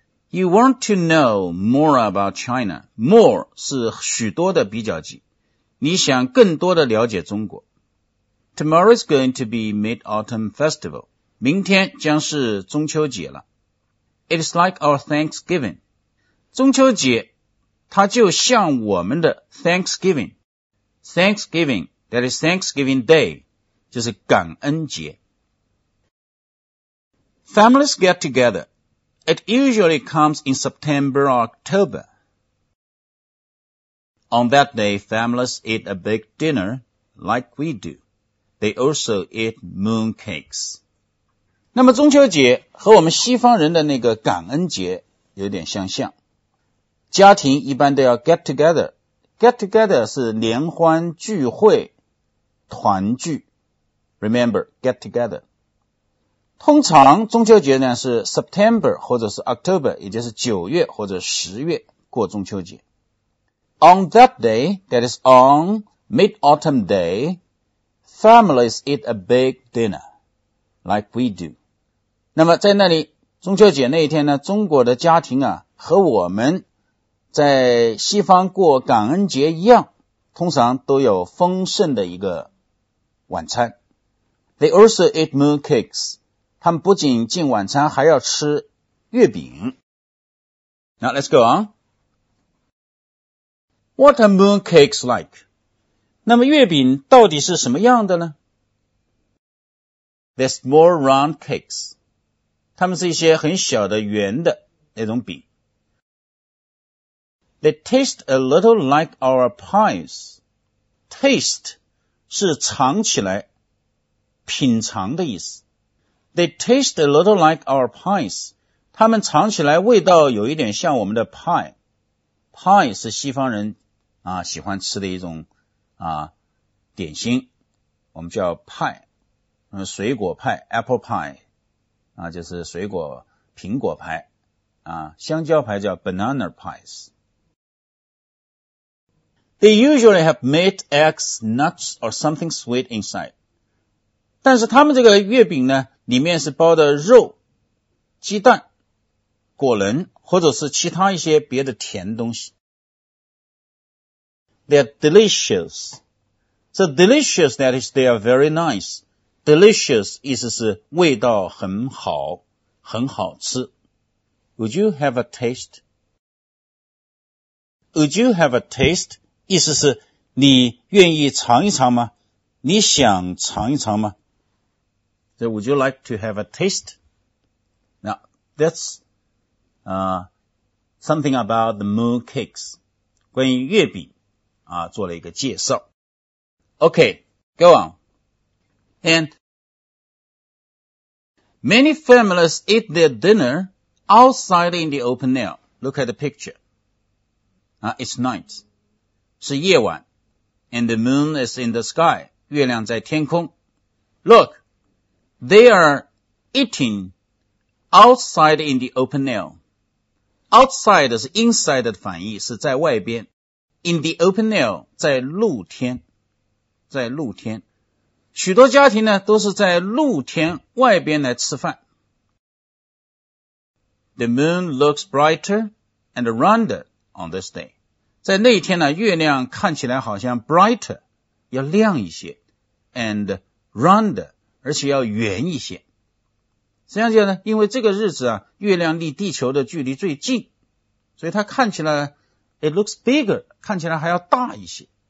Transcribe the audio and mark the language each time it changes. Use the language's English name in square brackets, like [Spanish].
[English] You want to know more about China. [Chinese] More 是许多的比较级。你想更多的了解中国。 [English] Tomorrow is going to be Mid-Autumn Festival. [Chinese] 明天将是中秋节了。 [English] It's like our Thanksgiving. [Chinese] 中秋节它就像我们的 Thanksgiving. [English] Thanksgiving, that is Thanksgiving Day, [Chinese] 就是感恩节。 [English] Families get together. It usually comes in September or October. On that day, families eat a big dinner like we do. They also eat mooncakes. [Chinese] 那么中秋节和我们西方人的那个感恩节有点相像，家庭一般都要 [English] get together， get together [Chinese] 是联欢聚会团聚， [English] remember get together。 [Chinese] 通常中秋节呢是 September 或者是 October， 也就是9月或者10月过中秋节。 [English] On that day, that is on Mid-Autumn Day, families eat a big dinner like we do。 [Chinese] 那么在那里中秋节那一天呢，中国的家庭啊和我们在西方过感恩节一样，通常都有丰盛的一个晚餐。 [English] They also eat moon cakes. [Chinese] 他们不仅进晚餐还要吃月饼。 [English] Now let's go on. What are moon cakes like? [Chinese] 那么月饼到底是什么样的呢？ [English] They're small round cakes. [Chinese] 它们是一些很小的圆的那种饼。 [English] They taste a little like our pies. [Chinese] Taste 是尝起来、品尝的意思。 [English] They taste a little like our pies. [Chinese] 它们尝起来味道有一点像我们的 pie。Pie 是西方人啊喜欢吃的一种啊点心，我们叫 pie， 水果派 apple pie。啊，就是水果苹果派，啊，香蕉派叫 banana pies。 [English] They usually have meat, eggs, nuts, or something sweet inside. [Chinese] 但是他们这个月饼呢，里面是包的肉、鸡蛋、果仁，或者是其他一些别的甜东西。 [English] They are delicious. So delicious, that is, they are very nice. [Chinese] Delicious 意思是味道很好，很好吃。 [English] Would you have a taste? Would you have a taste? [Chinese] 意思是你愿意尝一尝吗？你想尝一尝吗？ [English] So would you like to have a taste? Now, that's, something about the moon cakes. [Chinese] 关于月饼啊做了一个介绍。 [English] Okay, go on. And,Many families eat their dinner outside in the open air. Look at the picture. It's night. [Chinese] 是夜晚。 [English] and the moon is in the sky, [Chinese] 月亮在天空。 [English] Look, they are eating outside in the open air. [Chinese] Outside 是 inside 的反义，是在外边。 [English] In the open air, [Chinese] 在露天，在露天。许多家庭呢都是在露天外边来吃饭。 [English] The moon looks brighter and rounder on this day. [Chinese] 在那一天呢，月亮看起来好像 [English] brighter, [Chinese] 要亮一些 [English] and rounder, [Chinese] 而且要圆一些。实际上呢，因为这个日子啊，月亮离地球的距离最近，所以它看起来 [English] it looks bigger, [Chinese] 看起来还要大一些。